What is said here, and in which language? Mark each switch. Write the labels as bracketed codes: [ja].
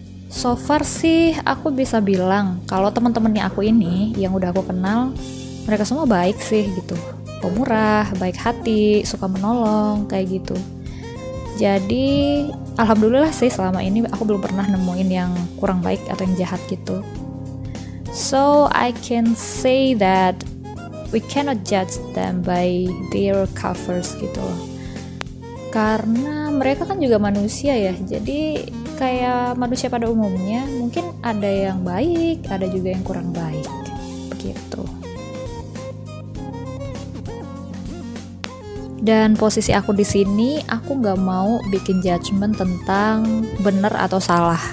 [en] So far [id] sih aku bisa bilang kalau teman-temannya aku ini yang udah aku kenal, mereka semua baik sih gitu. Pemurah, baik hati, suka menolong, kayak gitu. Jadi alhamdulillah sih selama ini aku belum pernah nemuin yang kurang baik atau yang jahat gitu. [en] So I can say that we cannot judge them by their covers [id] gitu loh. Karena mereka kan juga manusia ya, jadi kayak manusia pada umumnya, mungkin ada yang baik, ada juga yang kurang baik, begitu. Dan posisi aku di sini, aku gak mau bikin judgement tentang benar atau salah.